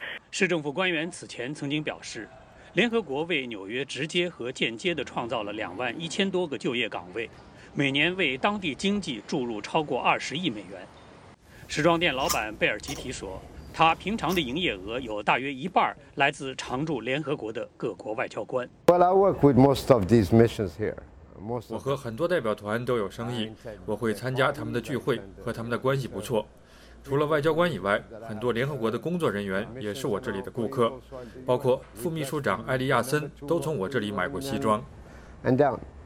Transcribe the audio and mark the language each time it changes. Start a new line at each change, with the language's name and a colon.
Chinese: 市政府官员此前曾经表示，联合国为纽约直接和间接地创造了21,000多个就业岗位，每年为当地经济注入超过20亿美元。时装店老板贝尔吉提说，他平常的营业额有大约一半来自常驻联合国的各国外交官。
English: Well, I work with most of these missions here.
Chinese: 我和很多代表团都有生意，我会参加他们的聚会，和他们的关系不错。除了外交官以外，很多联合国的工作人员也是我这里的顾客，包括副秘书长艾利亚森都从我这里买过西装。
English: And down.